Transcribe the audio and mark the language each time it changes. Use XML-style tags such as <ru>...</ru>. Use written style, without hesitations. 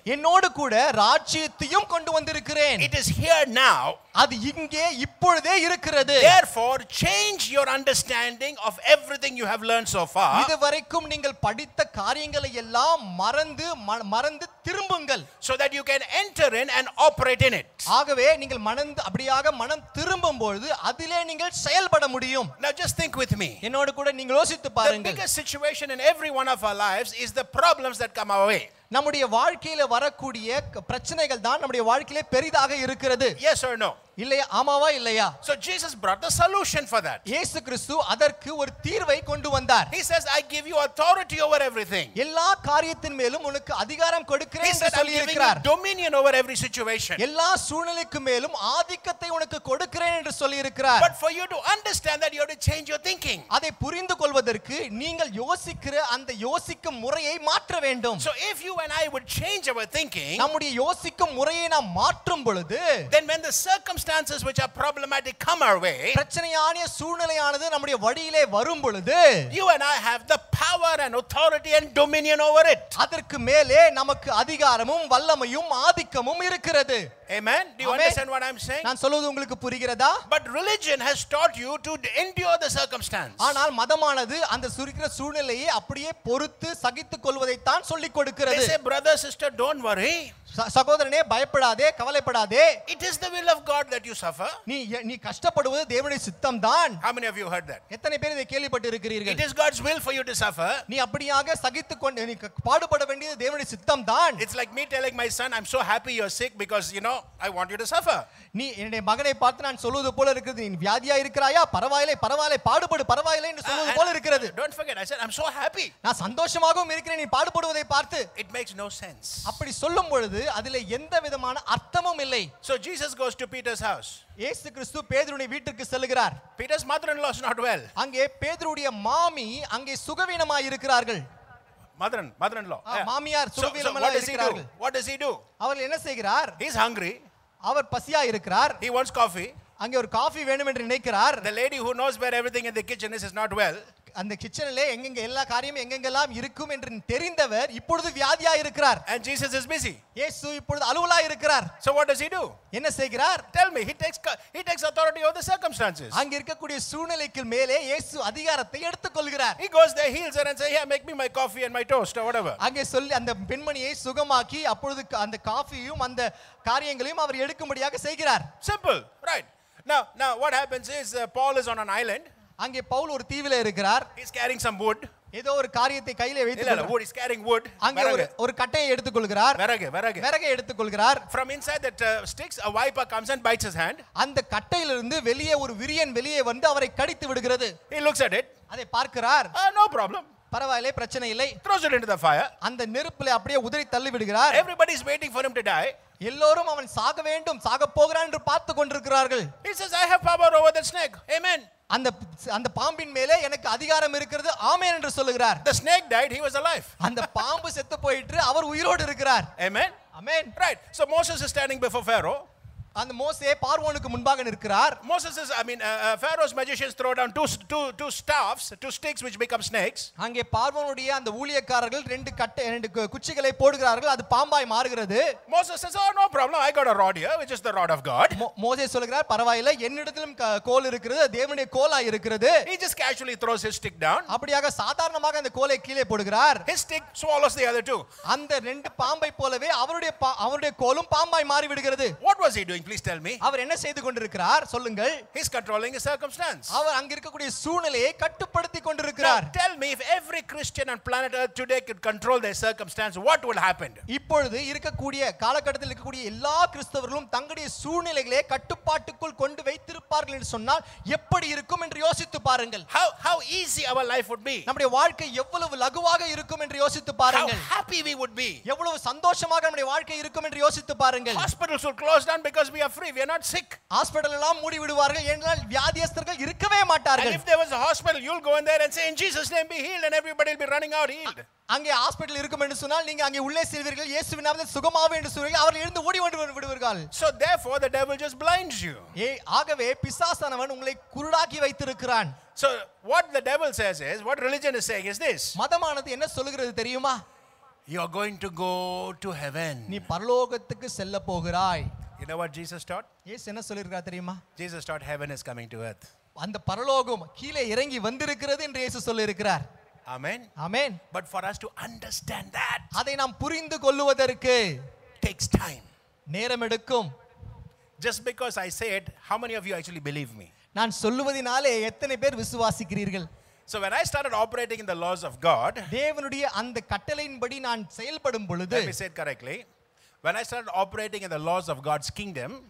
<ta>என்னோடு கூட ராஜ்யத்தையும் கொண்டு வந்திருக்கிறேன்.</ta> <en>It is here now.</en> <ta>அது இங்கே இப்பொழுதே இருக்கிறது</ta> <en>therefore change your understanding of everything you have learned so far</en> <ta>இதுவரைக்கும் நீங்கள் படித்த காரியங்களை எல்லாம் மறந்து திரும்புங்கள்</ta> <en>so that you can enter in and operate in it</en> <ta>ஆகவே நீங்கள் மனந்து அப்படியாக மனம் திரும்பும் பொழுது அதிலே நீங்கள் செயல்பட முடியும்</ta> <en>now just think with me</en> <ta>என்னோடு கூட நீங்க யோசித்து பாருங்கள்</ta> <en>the biggest situation in every one of our lives is the problems that come our way</en> <ta>நம்முடைய வாழ்க்கையில வரக்கூடிய பிரச்சனைகள் தான் நம்முடைய வாழ்க்கையில பெரிதாக இருக்கிறது</ta> <en>yes or no</en> <ta>இல்லையா ஆமாவா இல்லையா</ta> <en>so jesus brought the solution for that</en> <ta>இயேசு கிறிஸ்து அதற்கு ஒரு தீர்வை கொண்டு வந்தார்</ta> <en>he says i give you authority over everything</en> <ta>எல்லா காரியத்தின் மேலும் உனக்கு அதிகாரம் கொடுக்கிறேன் என்று சொல்லி இருக்கிறார்</ta> <en>he said i'm giving you dominion over every situation</en> <ta>எல்லா சூழ்நிலைக்கும் மேலும் ஆதிக்கத்தை உனக்கு கொடுக்கிறேன் என்று சொல்லி இருக்கிறார்</ta> <en>but for you to understand that you have to change your thinking</en> <ta>அதை புரிந்துகொள்வதற்கு நீங்கள் யோசிக்கிற அந்த யோசிக்கும் முறையை மாற்ற வேண்டும்</ta> <en>so if you and i would change our thinking</en> <ta>நம்முடைய யோசிக்கும் முறையை நாம் மாற்றும் பொழுது</ta> <en>then when the circumstances which are problematic come our way</en> <ta>பிரச்சனையான சூழ்நிலையானது நம்முடைய வழியிலே வரும் பொழுது</ta> <en>you and i have the power and authority and dominion over it</en> <ta>அதற்கு மேலே நமக்கு அதிகாரமும் வல்லமையும் ஆதிக்கமும் இருக்கிறது</ta> <en>amen do you amen. Understand what i'm saying</en> <ta>நான் சொல்வது உங்களுக்கு புரிகிறதா</ta> <en>but religion has taught you to endure the circumstance</en> <ta>ஆனால் மதமானது அந்த சுருக்கிற சூழ்நிலையை அப்படியே பொறுத்து சகித்துக் கொள்வதை தான் சொல்லிக் கொடுக்கிறது</ta> <en>they say brother sister don't worry</en> <ta>சகோதரனே பயப்படாதே கவலைப்படாதே</ta> <en>it is the will of god that you suffer</en> <ta>நீ கஷ்டப்படுவது தேவனுடைய சித்தம் தான்</ta> <en>how many of you heard that</en> <ta>எத்தனை பேர் இதை கேள்விப்பட்டிருக்கிறீர்கள்</ta> <en>it is god's will for you to suffer</en> <ta>நீ அப்படியாக சகித்துக் கொண்டு நீ பாடுபட வேண்டியது தேவனுடைய சித்தம் தான்</ta> <en>it's like me telling my son i'm so happy you're sick because you know i want you to suffer</en> <ta>நீ என்னுடைய மகனை பார்த்து நான் சொல்வது போல இருக்குது நீ வியாதியா இருக்கறாயா பரவாயில்லை பாடுபடு பரவாயில்லை என்று சொல்வது போல இருக்குது</ta> <en>don't forget i said i'm so happy</en> <ta>நான் சந்தோஷமாகவும் இருக்கிறேன் நீ பாடுபடுவதை பார்த்து</ta> <en>it makes no sense</en> <ta>அப்படி சொல்லும் பொழுது அதிலே எந்த விதமான அர்த்தமும் இல்லை</ta> <en>so jesus goes to peter's house</en> <ta>இயேசு கிறிஸ்து பேதுருனுடைய வீட்டுக்கு செல்கிறார்</ta> <en>peter's mother-in-law is not well</en> <ta>அங்கே பேதுருடைய மாமி அங்கே சுகவீனமாய் இருக்கிறார்கள்</ta> <en>mother-in-law</en> <ta>மாமியார் சுகவீனமாய் இருக்கிறார்கள்</ta> <en>what does he do</en> <ta>அவர் என்ன செய்கிறார்</ta> <en>he's hungry</en> <ta>அவர் பசியா இருக்கிறார்</ta> <en>he wants coffee</en> <ta>அங்கே ஒரு காபி வேணும் என்று நினைக்கிறார்</ta> <en>the lady who knows where everything in the kitchen is not well</en> <ta>அந்த கிச்சனிலே எங்கெங்க எல்லா காரியமும் எங்கெங்கெல்லாம் இருக்கும் என்று தெரிந்தவர் இப்பொழுது வியாதியா இருக்கிறார்</ta> <en>and jesus is busy</en> <ta>இயேசு இப்பொழுது அலுவலா இருக்கிறார்</ta> <en>so what does he do</en> <ta>என்ன செய்கிறார்</ta> <en>tell me he takes authority over the circumstances</en> <ta>அங்க இருக்கக்கூடிய சூழ்நிலைக்கு மேலே இயேசு அதிகாரத்தை எடுத்துக் கொள்கிறார்</ta> <en>he goes there heals her and say yeah make me my coffee and my toast or whatever</en> <ta>அங்க சொல்லி அந்த பெண்மணியை சுகமாக்கி அப்பொழுது அந்த காபியையும் அந்த காரியங்களையும் அவர் எடுக்கும்படியாக செய்கிறார்</ta> <en>simple right now what happens is paul is on an island</en> <ta>அங்கே பவுல் ஒரு தீவில இருக்கிறார்</ta> <en>he's carrying some wood</en> <ta>ஏதோ ஒரு காரியத்தை கையில வைத்துக்கொண்டு</ta> <en>wood is carrying wood</en> <ta>அங்க ஒரு கட்டையை எடுத்துக் கொள்கிறார் விறகை எடுத்துக் கொள்கிறார்</ta> <en>from inside that sticks a viper comes and bites his hand</en> <ta>அந்த கட்டையிலிருந்து வெளியே ஒரு விரியன் வெளியே வந்து அவரை கடித்து விடுகிறது</ta> <en>he looks at it</en> <ta>அதை பார்க்கிறார்</ta> <en>no problem</en> <ta>பரவாயில்லை பிரச்சனை இல்லை</ta> <en>throws it into the fire</en> <ta>அந்த நெருப்பிலே அப்படியே உதறி தள்ளி விடுகிறார்</ta> <en>everybody is waiting for him to die</en> <ta>எல்லாரும் அவன் சாக வேண்டும் சாக போகிறான் என்று பார்த்து கொண்டிருக்கிறார்கள்</ta> <en>he says i have power over the snake amen</en> <ta>அந்த பாம்பின் மேலே எனக்கு அதிகாரம் இருக்கிறது ஆமென் என்று சொல்கிறார்</ta> <en>the snake died he was alive</en> <ta>அந்த பாம்பு செத்து போயிற்று அவர் உயிரோடு இருக்கிறார்</ta> <en>amen amen right so moses is standing before pharaoh</en> <ta>அந்த மோசே பார்வோனுக்கு முன்பாக நிற்கிறார்</ta> <en>Moses is I mean Pharaoh's magicians throw down two staffs two sticks which become snakes</en> <ta>அங்கே பார்வோனுடைய அந்த ஊழியக்காரர்கள் ரெண்டு கட்டை ரெண்டு குச்சிகளை போடுகிறார்கள் அது பாம்பாய் மாறுகிறது</ta> <en>Moses says oh no problem I got a rod here which is the rod of God</en> <ta>மோசே சொல்கிறார் பரவாயில்லை என்னிடத்திலும் கோல் இருக்கிறது தேவனுடைய கோலாய் இருக்கிறது</ta> <en>he just casually throws his stick down</en> <ta>அப்படியாக சாதாரணமாக அந்த கோலை கீழே போடுகிறார்</ta> <en>his stick swallows the other two</en> <ta>அந்த ரெண்டு பாம்பை போலவே அவருடைய கோலும் பாம்பாய் மாறி விடுகிறது</ta> <en>what was he doing please tell me</en> <ta>அவர் என்ன செய்து கொண்டிருக்கிறார் சொல்லுங்கள்</ta> <en>he is controlling his circumstance</en> <ta>அவர் அங்க இருக்கக்கூடிய சூழ்நிலையை கட்டுப்படுத்தி கொண்டிருக்கிறார்</ta> <en>tell me if every christian on planet earth today could control their circumstance what would happen</en> <ta>இப்பொழுது இருக்கக்கூடிய காலக்கட்டத்தில் இருக்கக்கூடிய எல்லா கிறிஸ்தவர்களும் தங்களுடைய சூழ்நிலைகளை கட்டுப்பாட்டுக்குள் கொண்டு வைத்திருப்பார்கள் என்று சொன்னால் எப்படி இருக்கும் என்று யோசித்து பாருங்கள்</ta> <en>how easy our life would be</en> <ta>நம்முடைய வாழ்க்கை எவ்வளவு லகுவாக இருக்கும் என்று யோசித்து பாருங்கள்</ta> <en>how happy we would be</en> <ta>எவ்வளவு சந்தோஷமாக நம்முடைய வாழ்க்கை இருக்கும் என்று யோசித்து பாருங்கள்</ta> <en>hospitals will close down because we are free we are not sick</en> <ta>hospital எல்லாம் மூடி விடுவார்கள் ஏனென்றால் வியாதியஸ்தர்கள் இருக்கவே மாட்டார்கள்</ta> <en>and if there was a hospital you'll go in there and say in Jesus name be healed and everybody will be running out healed</en> <ta>அங்கே hospital இருக்கும் என்று சொன்னால் நீங்க அங்கே உள்ளே செல்வீர்கள் இயேசுவின் நாமத்தில் சுகமாவே என்று சொல்வீர்கள் அவர்கள் எழுந்து ஓடி வந்து விடுவார்கள்</ta> <en>so therefore the devil just blinds you</en> <ta>ஏ ஆகவே பிசாசானவன் உங்களை குருடாக்கி வைத்திருக்கிறான்</ta> <en>so what the devil says is what religion is saying is this</en> <ta>மதமானது என்ன சொல்கிறது தெரியுமா</ta> <en>you are going to go to heaven</en> <ta>நீ பரலோகத்துக்கு செல்ல போகிறாய்</ta> <en>you know what jesus taught</en> <ta>இயேசு என்ன சொல்லிருக்கார் தெரியுமா</ta> <en>jesus taught heaven is coming to earth</en> <ta>அந்த பரலோகம் கீழே இறங்கி வந்திருக்கிறது என்று இயேசு சொல்லிருக்கிறார்</ta> <en>amen amen but for us to understand that</en> <ta>அதை நாம் புரிந்து கொள்வதற்கு</ta> <en>takes time</en> <ta>நேரம் எடுக்கும்</ta> <en>just because I said how many of you actually believe me</en> <ta>நான் சொல்வதினாலே எத்தனை பேர் விசுவாசிக்கிறீர்கள்</ta> <en>so when I started operating in the laws of god</en> <ta>தேவனுடைய அந்த கட்டளையின்படி நான் செயல்படும் பொழுது</ta> <en>let me say it correctly when I started operating in the laws of god's kingdom</en>